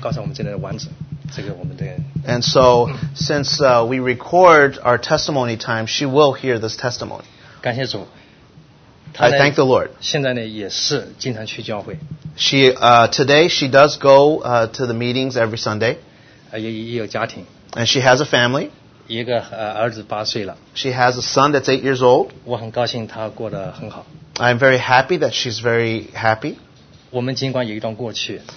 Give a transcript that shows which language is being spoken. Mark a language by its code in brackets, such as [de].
[zh] 而且我的见证呢，他也会听到，因为他知道我们，我告诉我们这里的网址，这个我们的。 [en] And so, since we record our testimony time, she will hear this testimony. [zh] 感谢主。 [en] I thank the Lord. [zh] 现在呢，也是经常去教会。 [en] She today she does go to the meetings every Sunday. [zh] 也有家庭。 [en] And she has a family. [zh] 一个儿子8岁了。 [en] She has a son that's 8 years old. [zh] 我很高兴他过得很好。 [en] I'm very happy that she's very happy. [zh] 我们尽管有一段过去,